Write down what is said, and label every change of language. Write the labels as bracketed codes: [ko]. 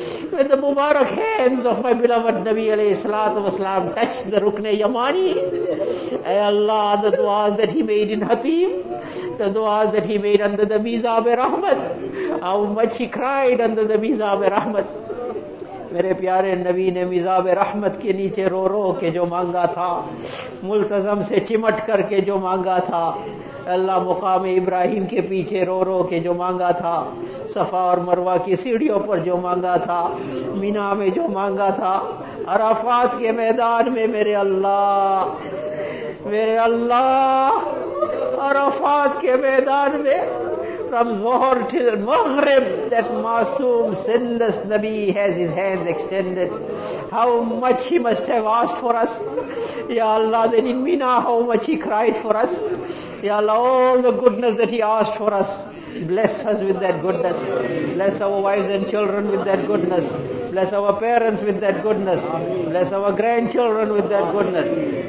[en] When the Mubarak hands of my beloved Nabi alayhi salatu wasalam touched the rukne Yamani. Ay Allah, the du'as that he made in Hatim. The du'as that he made under the Mizab-e-Rahmat. How much he cried under the Mizab-e-Rahmat. [ur] میرے پیارے نبی نے مذاب رحمت کے نیچے رو رو کے جو مانگا تھا ملتظم سے چمٹ کر کے جو مانگا تھا اللہ مقام ابراہیم کے پیچھے رو رو کے جو مانگا تھا صفا اور مروہ کی سیڑھیوں پر جو مانگا تھا منا میں جو مانگا تھا عرفات کے میدان میں میرے اللہ عرفات کے میدان میں [en] from Zohar till Maghrib, that masoom, sinless Nabi has his hands extended. How much he must have asked for us. Ya Allah, then in Mina, how much he cried for us. Ya Allah, all the goodness that he asked for us, bless us with that goodness. Bless our wives and children with that goodness. Bless our parents with that goodness. Bless our grandchildren with that goodness.